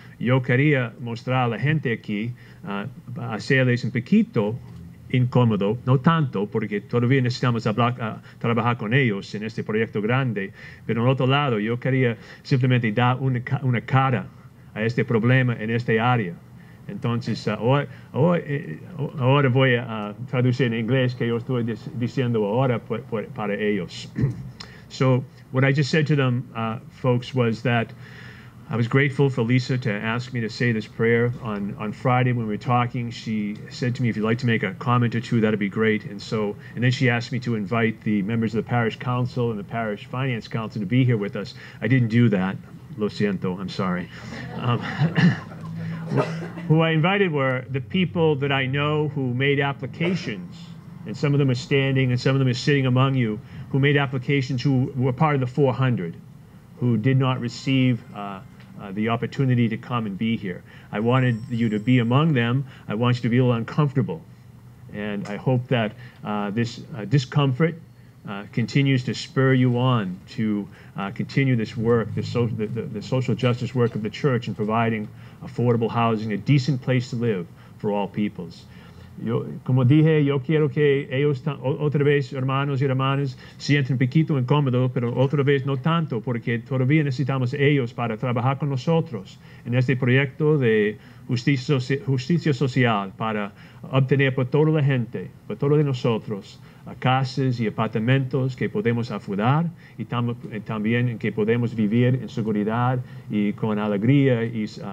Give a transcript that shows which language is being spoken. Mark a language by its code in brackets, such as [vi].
[es] Yo quería mostrar a la gente aquí, hacerles un poquito incómodo, no tanto, porque todavía necesitamos trabajar con ellos en este proyecto grande, pero en otro lado yo quería simplemente dar una cara a este problema en esta área. Entonces, ahora voy a traducir en inglés que yo estoy diciendo ahora para ellos. [en] So, what I just said to them, folks, was that I was grateful for Lisa to ask me to say this prayer on Friday when we were talking. She said to me, if you'd like to make a comment or two, that'd be great. And then she asked me to invite the members of the parish council and the parish finance council to be here with us. I didn't do that. [es] Lo siento. [en] I'm sorry. Who I invited were the people that I know who made applications, and some of them are standing and some of them are sitting among you, who made applications who were part of the 400 who did not receive the opportunity to come and be here. I wanted you to be among them. I want you to be a little uncomfortable, and I hope that this discomfort continues to spur you on to continue this work, the social justice work of the church in providing affordable housing, a decent place to live for all peoples. [es] Yo, como dije, yo quiero que ellos, otra vez, hermanos y hermanas, sienten un poquito incómodo, pero otra vez no tanto, porque todavía necesitamos ellos para trabajar con nosotros en este proyecto de justicia social para obtener por toda la gente, por todos de nosotros, casas y apartamentos que podemos afudar y también que podemos vivir en seguridad y con alegría y